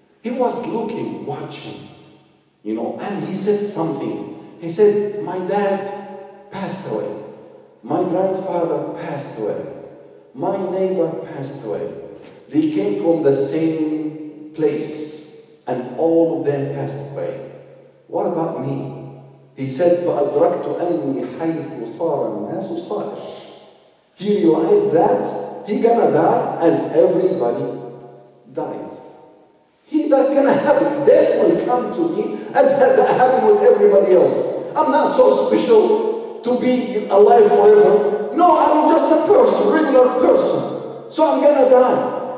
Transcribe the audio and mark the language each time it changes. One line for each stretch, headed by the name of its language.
English: He was looking, watching, you know, and he said something. He said, my dad passed away. My grandfather passed away. My neighbor passed away. They came from the same place and all of them passed away. What about me? He said,
Arabic: فَأَدْرَكْتُ أَنِّي حَيْثُ صَارَ النَّاسُ صَارِ.
English: He realized that he gonna die as everybody died. He that gonna happen, death will come to me as that happened with everybody else. I'm not so special to be alive forever. No, I'm just a person, regular person. So I'm gonna die.